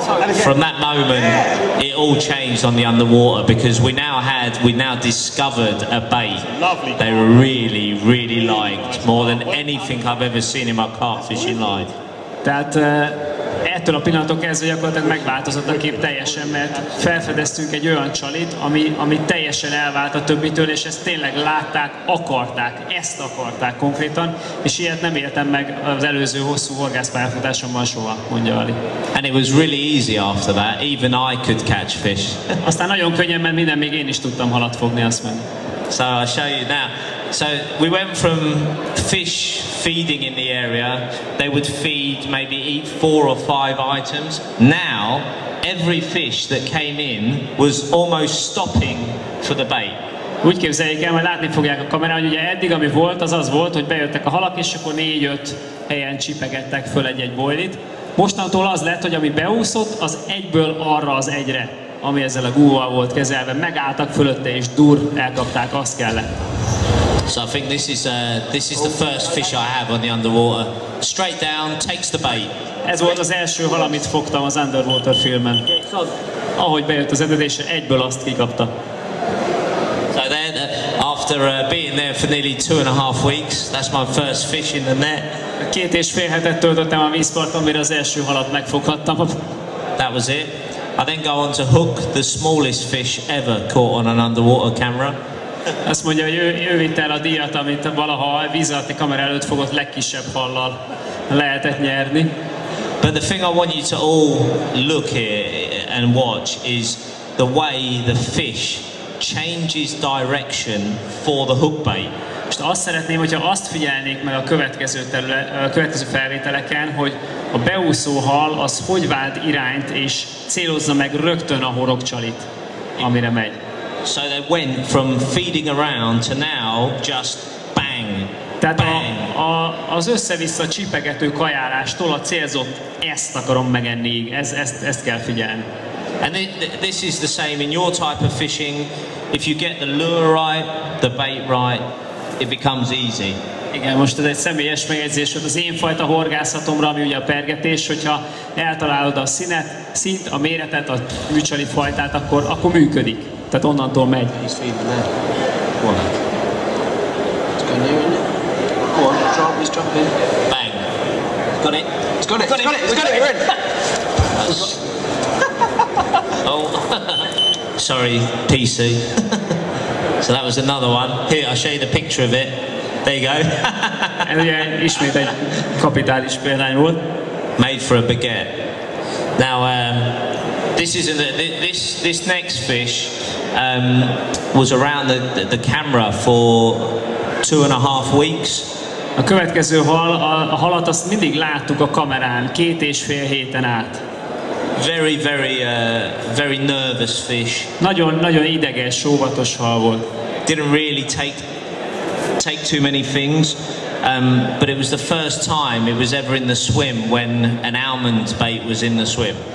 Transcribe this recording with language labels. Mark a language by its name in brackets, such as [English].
[English] From that moment, it all changed on the underwater because we now discovered a bait they really, really liked more than anything I've ever seen in my carp fishing life. [Hungarian] Tehát ettől a pillanattól kezdve gyakorlatilag megváltozott a kép teljesen, mert felfedeztünk egy olyan csalit, ami teljesen elvált a többitől, és ezt tényleg látták, akarták, ezt akarták konkrétan, és ilyet nem éltem meg az előző hosszú horgászpályafutásomban soha, mondja Ali. [English] And it was really easy after that, even I could catch fish. [Hungarian] Aztán nagyon könnyen, mert minden, még én is tudtam halat fogni, azt mondja. [English] So I'll show you now. So we went from fish feeding in the area. They would feed, maybe eat four or five items. Now, every fish that came in was almost stopping for the bait. [Hungarian] Úgy képzeljék el, majd látni fogják a kamerán, hogy ugye eddig, ami volt, az az volt, hogy bejöttek a halak, és akkor 4-5 helyen csipegettek föl egy-egy bojlit. Mostantól az lett, hogy ami beúszott, az egyből arra az egyre, ami ezzel a gúval volt kezelve. Megálltak fölötte, és dur, elkapták, azt kellett. [English] So I think this is the first fish I have on the underwater. Straight down, takes the bait. [Hungarian] Ez volt az első hal, amit fogtam az underwater filmen. Ahogy bejött az edzése, egyből azt kikapta. [English] So then, after being there for nearly 2.5 weeks, that's my first fish in the net. [Hungarian] Két és fél hetet töltöttem a vízparton, mire az első halat megfoghattam. [English] That was it. I then go on to hook the smallest fish ever caught on an underwater camera. [Hungarian] Azt mondja, hogy ő vitte el a díjat, amit valaha a víz alatti kamera előtt fogott legkisebb hallal lehetett nyerni. [English] But the thing I want you to all look here and watch is the way the fish changes direction for the hook bait. [Hungarian] Most azt szeretném, hogyha azt figyelnék meg a következő következő felvételeken, hogy a beúszó hal az hogy vált irányt és célozza meg rögtön a horogcsalit, amire megy. [English] So they went from feeding around to now just bang. [Hungarian] Tehát [English] bang. [Hungarian] Az össze-vissza csipegető kajálástól a célzott ezt akarom megenni, ezt kell figyelni. [English] And this is the same in your type of fishing. If you get the lure right, the bait right, it becomes easy. [Hungarian] Igen, most ez egy személyes megjegyzés, hogy az én fajta horgászatomra, ami ugye a pergetés, hogyha eltalálod a színet, szint, a méretet, a műcsali fajtát, akkor működik. Tehát onnantól megy. [English] He's feeding there. Go on. It's going near, isn't it? Go on, he's jumping. Bang. He's got it. He's got it. Sorry, PC. So that was another one. Here, I'll show you the picture of it. There you go. [Hungarian] Ez ugye ismét egy kapitális példány volt. [English] Made for a baguette. Now, this next fish was around the camera for 2.5 weeks. [Hungarian] A következő hal, a halat azt mindig láttuk a kamerán, 2.5 héten át. [English] Very, very, very nervous fish. [Hungarian] Nagyon, nagyon ideges, óvatos hal volt. [English] Didn't really take too many things, but it was the first time it was ever in the swim when an almond bait was in the swim.